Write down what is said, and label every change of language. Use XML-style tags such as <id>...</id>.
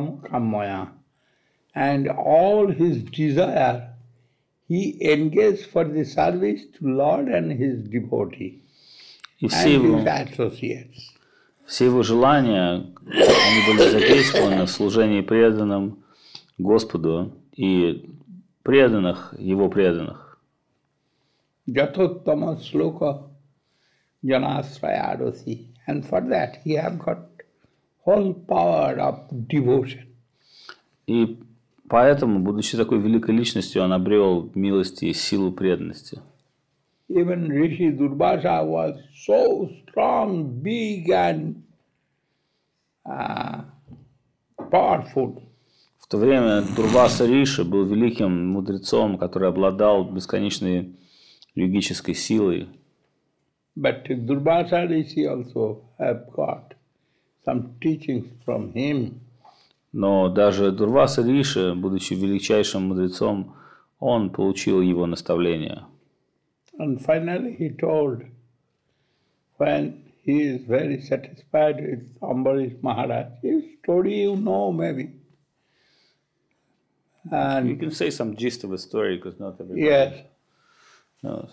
<en>And all his desire, he engages for the service to Lord and his devotee and his associates.</en> <ru>Все его желания, они были задействованы в служении преданным Господу и преданных, его преданных.</ru> <sa>Jatottama sloka. Janasrayadosi.</sa> <en>And for that he have got whole power of devotion.</en> <ru>И поэтому, будучи такой великой личностью, он обрел милости и силу преданности.</ru> <en>Even Rishi Durbhasa was so strong, big and powerful.</en> <ru>В то время Дурбаса Риши был великим мудрецом, который обладал бесконечной йогической силой.</ru> <en>But Durbhasa Rishi also have got some teachings from him.</en> <ru>Но даже Дурбаса Риши, будучи величайшим мудрецом, он получил его наставления.</ru> <en>And finally he told, when he is very satisfied with Ambarish Maharaj, his story you know maybe. And you can say some gist of a story because not everybody yes. knows.</en>